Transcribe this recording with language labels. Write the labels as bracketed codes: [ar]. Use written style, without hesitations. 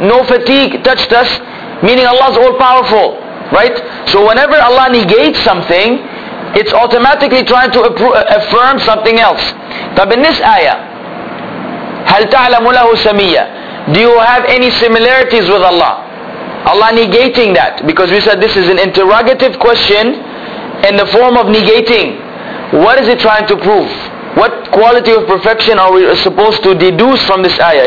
[en] No fatigue touched us, meaning Allah is all-powerful, right? So whenever Allah negates something, it's automatically trying to affirm something else. [ar] طب [en] in this ayah, [ar] هَلْ تَعْلَمُ لَهُ سَمِيَّةً. [en] Do you have any similarities with Allah? Allah negating that, because we said this is an interrogative question in the form of negating. What is it trying to prove? What quality of perfection are we supposed to deduce from this ayah?